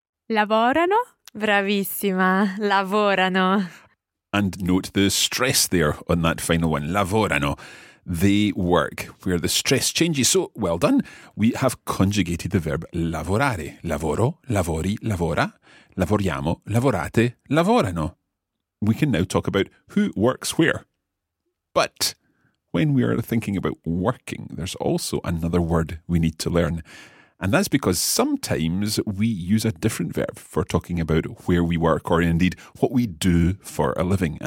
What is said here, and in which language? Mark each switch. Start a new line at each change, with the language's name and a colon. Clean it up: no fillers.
Italian: Lavorano. Bravissima, lavorano.
English: And note the stress there on that final one. Lavorano. They work, where the stress changes. So, well done. We have conjugated the verb lavorare.
Italian: Lavoro, lavori, lavora. Lavoriamo, lavorate, lavorano.
English: We can now talk about who works where. But when we are thinking about working, there's also another word we need to learn. And that's because sometimes we use a different verb for talking about where we work or indeed what we do for a living.